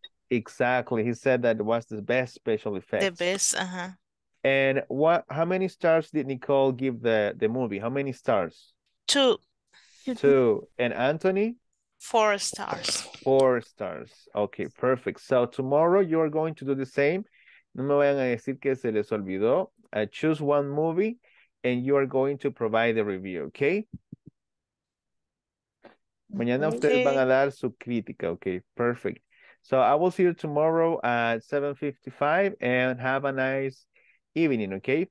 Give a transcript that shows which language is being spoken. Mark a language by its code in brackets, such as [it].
[en] Exactly, he said that it was the best special effects. The best, uh-huh. And how many stars did Nicole give the movie? How many stars? Four. Two. And Anthony? Four stars. Okay, perfect. So tomorrow you are going to do the same. [es] No me vayan a decir que se les olvidó. [en] Choose one movie and you are going to provide the review, okay? [es] Mañana ustedes van a dar su crítica, [en] okay? Perfect. So I will see you tomorrow at 7:55 and have a nice evening, okay?